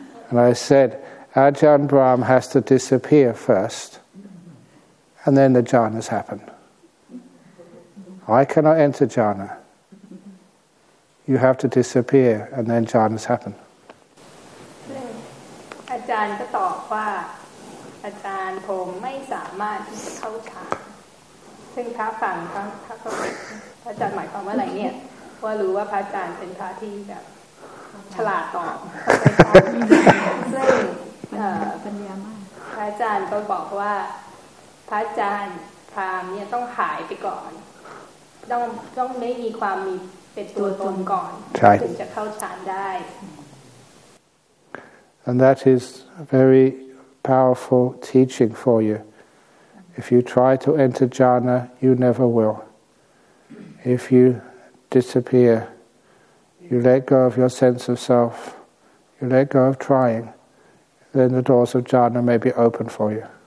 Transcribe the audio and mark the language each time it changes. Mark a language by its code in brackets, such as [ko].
[en] And I said, Ajahn Brahm has to disappear first, and then the jhanas happen. I cannot enter jhana. You have to disappear, and then jhanas happen. [th] Ajahn ก็ตอบว่า Ajahn ผมไม่สามารถเข้าฌานซึ่งพระฝั่งพระก็พระอาจารย์หมายความว่าอะไรเนี่ยว่ารู้ว่าพระอาจารย์เป็นพระที่แบบฉลาดตอบซึ่ง ปัญญามาก พระอาจารย์ก็บอกว่าพระอาจารย์พรามเนี่ยต้องหายไปก่อน ต้องไม่มีความมีเป็นตัวตนก่อนถึ งจะเข้าฌานได้ [en] And that is very powerful teaching for you. If you try to enter jhana, you never will. If you disappear, you let go of your sense of self, you let go of trying, then the doors of jhana may be open for you.